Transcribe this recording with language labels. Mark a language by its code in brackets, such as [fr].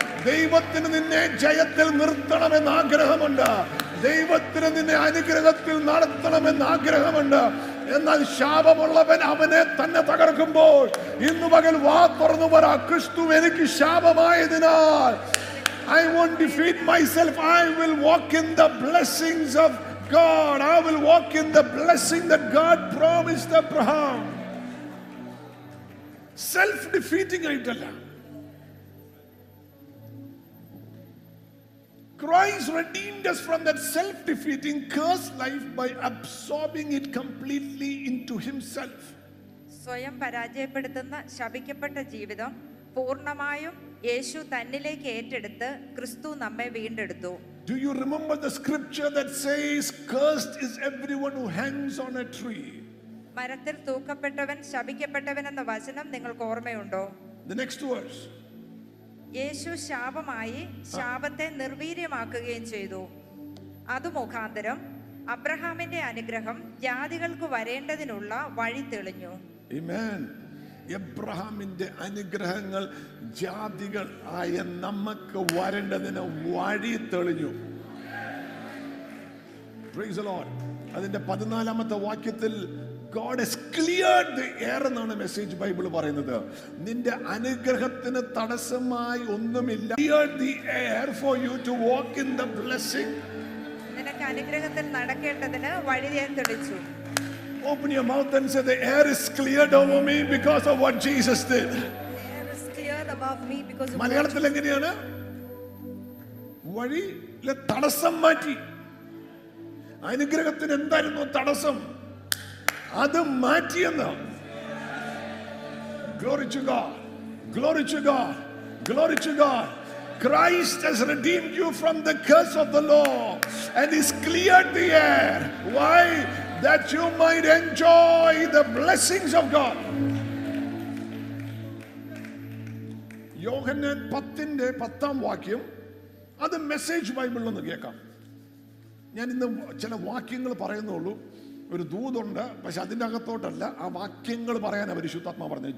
[ml] ദൈവത്തിന് നിന്നെ ജയത്തിൽ നിർത്തണമെന്ന് ആഗ്രഹമുണ്ട്. ദൈവത്തിന് നിന്നെ അനുഗ്രഹത്തിൽ നടത്തണമെന്ന് ആഗ്രഹമുണ്ട്. എന്നാൽ ശാപമുള്ളവൻ അവനെ തന്നെ തകർക്കുമ്പോൾ ഇന്ന് പകൽ വാ തുറന്നു പറ, ക്രിസ്തു എനിക്ക് ശാപമായതിനാൽ [en] I won't defeat myself. I will walk in the blessings of God. I will walk in the blessing that God promised Abraham. Self-defeating aitala. Christ redeemed us from that self-defeating cursed life by absorbing it completely into himself. [ml] സ്വയം പരാജയപ്പെടുത്തുന്ന ശപിക്കപ്പെട്ട ജീവിതം പൂർണ്ണമായും യേശു തന്നിലേക്ക് ഏറ്റെടുത്ത് ക്രിസ്തു നമ്മെ വീണ്ടെടുത്തു. [en] Do you remember the scripture that says cursed is everyone who hangs on a tree? [ml] മരത്തിൽ തൂക്കപ്പെട്ടവൻ ശപിക്കപ്പെട്ടവൻ എന്ന വചനം നിങ്ങൾക്ക് ഓർമ്മയുണ്ടോ? [en] The next verse. [ml] യേശു ശാപമായി ശാപത്തെ നിർവീര്യമാക്കുകയും ചെയ്തു. അതുമുഖാന്തരം അബ്രഹാമിന്റെ അനുഗ്രഹം ജാതികൾക്ക് വരേണ്ടതിനുള്ള വഴി തെളിഞ്ഞു. ആമേൻ. അബ്രഹാമിന്റെ അനുഗ്രഹങ്ങൾ ജാതികൾ ആയ നമുക്ക് വരേണ്ടതിന് വഴി തെളിഞ്ഞു. [en] Praise the lord. [ml] അതിന്റെ 14-ാമത്തെ വാക്യത്തിൽ [en] God has cleared the air [ml] എന്നാണ് മെസ്സേജ് ബൈബിൾ പറയുന്നത്. നിന്റെ അനുഗ്രഹത്തിന് തടസ്സമായി ഒന്നുമില്ല. [en] Cleared the air for you to walk in the blessing. [ml] നിനക്ക് അനുഗ്രഹത്തിൽ നടക്കേണ്ടതിന് വഴി ഞാൻ തെളിച്ചു. [en] Open your mouth and say, the air is cleared over me because of what Jesus did. The air is cleared above me because of [ml] മലയാളത്തിൽ എങ്ങനെയാണ്? വഴിയിലെ തടസ്സം മാറ്റി. അനുഗ്രഹത്തിന് എന്തായിരുന്നു തടസ്സം? അത് മാറ്റിയെന്ന്. [en] Glory to God, glory to God, glory to God. Christ has redeemed you from the curse of the law and has cleared the air. Why? That you might enjoy the blessings of God. [ml] യോഹന്നാൻ 10:10 പത്താം വാക്യം, അത് message ബൈബിളിൽ ഒന്ന് കേൾക്കാം. ഞാൻ ഇന്ന് ചില വാക്യങ്ങൾ പറയുന്നുള്ളൂ. ഒരു ദൂതുണ്ട്, പക്ഷെ അതിൻ്റെ അകത്തോട്ടല്ല, ആ വാക്യങ്ങൾ പറയാൻ പരിശുദ്ധാത്മാവ് പറഞ്ഞു.